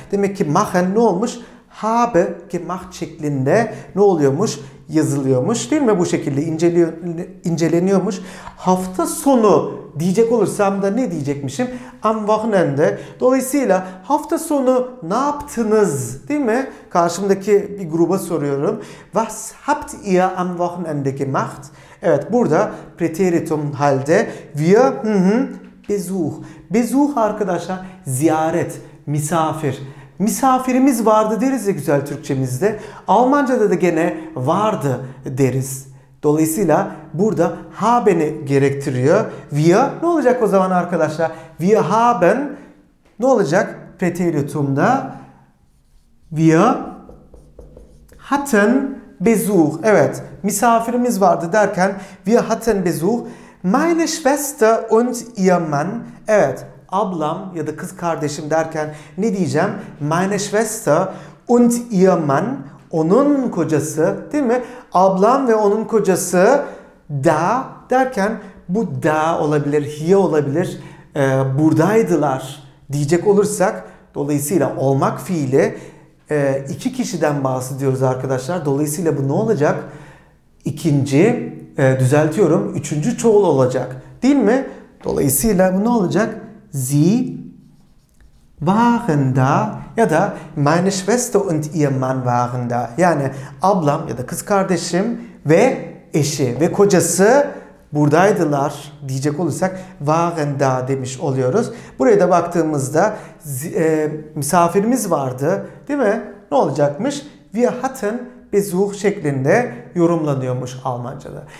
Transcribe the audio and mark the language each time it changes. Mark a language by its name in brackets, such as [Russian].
[Turkish] Demek ki machen ne olmuş? [German] Habe gemacht [Turkish] şeklinde ne oluyormuş? Yazılıyormuş, değil mi? Bu şekilde inceleniyormuş. Hafta sonu diyecek olursam da ne diyecekmişim? [German] Am Wochenende. [Turkish] Dolayısıyla hafta sonu ne yaptınız, değil mi? Karşımdaki bir gruba soruyorum. [German] Was habt ihr am Wochenende gemacht? [Turkish] Evet, burada preteritum halde [German] wir Besuch. [Turkish] Besuch arkadaşlar, ziyaret, misafir. Misafirimiz vardı deriz ya güzel Türkçemizde. Almanca'da da gene vardı deriz. Dolayısıyla burada haben'i gerektiriyor. Wir ne olacak o zaman arkadaşlar? [German] Wir haben [Turkish] ne olacak preteritumda? [German] Wir hatten Besuch. [Turkish] Evet, misafirimiz vardı derken [German] wir hatten Besuch. Meine Schwester und ihr Mann. [Turkish] Evet, ablam ya da kız kardeşim derken ne diyeceğim? [German] Meine Schwester und ihr Mann. [Turkish] Onun kocası, değil mi? Ablam ve onun kocası da derken bu da olabilir, hier olabilir. Buradaydılar diyecek olursak, dolayısıyla olmak fiili iki kişiden bahsediyoruz arkadaşlar. Dolayısıyla bu ne olacak? İkinci, düzeltiyorum, üçüncü çoğul olacak. Değil mi? Dolayısıyla bu ne olacak? [German] Sie waren da, ya da meine Schwester und ihr Mann waren da. [Turkish] Yani ablam ya da kız kardeşim ve eşi ve kocası buradaydılar diyecek olursak [German] waren da [Turkish] demiş oluyoruz. Buraya da baktığımızda misafirimiz vardı, değil mi? Ne olacakmış? [German] Wir hatten Besuch [Turkish] şeklinde yorumlanıyormuş Almanca'da.